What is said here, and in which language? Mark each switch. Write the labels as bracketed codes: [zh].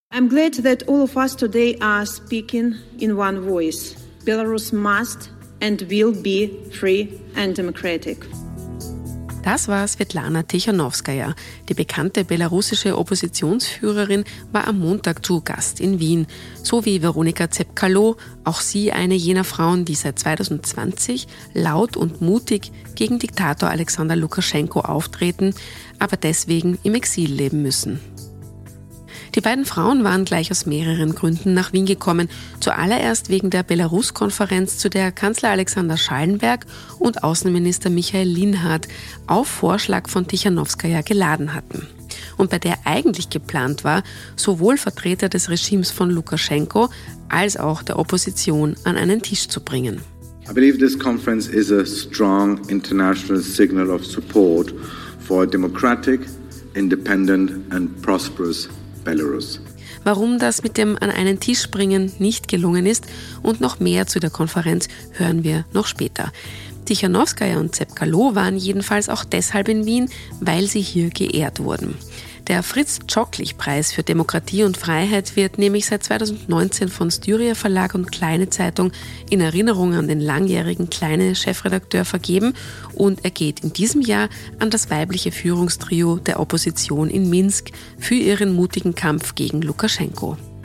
[en] I'm glad that all of us today are speaking in one voice. Belarus must and will be free and democratic. [de] Das war Svetlana Tichanowskaja. Die bekannte belarussische Oppositionsführerin war am Montag zu Gast in Wien. So wie Veronika Tsepkalo, auch sie eine jener Frauen, die seit 2020 laut und mutig gegen Diktator Alexander Lukaschenko auftreten, aber deswegen im Exil leben müssen. Die beiden Frauen waren gleich aus mehreren Gründen nach Wien gekommen. Zuallererst wegen der Belarus-Konferenz, zu der Kanzler Alexander Schallenberg und Außenminister Michael Linhardt auf Vorschlag von Tichanowskaja geladen hatten. Und bei der eigentlich geplant war, sowohl Vertreter des Regimes von Lukaschenko als auch der Opposition an einen Tisch zu bringen. [en] I believe this conference is a strong international signal of support for a democratic, independent and prosperous Belarus. [de] Warum das mit dem an einen Tisch bringen nicht gelungen ist und noch mehr zu der Konferenz hören wir noch später. Tichanowskaja und Tsepkalo waren jedenfalls auch deshalb in Wien, weil sie hier geehrt wurden. Der Fritz-Tschocklich-Preis für Demokratie und Freiheit wird nämlich seit 2019 von Styria Verlag und Kleine Zeitung in Erinnerung an den langjährigen Kleine Chefredakteur vergeben und er geht in diesem Jahr an das weibliche Führungstrio der Opposition in Minsk für ihren mutigen Kampf gegen Lukaschenko.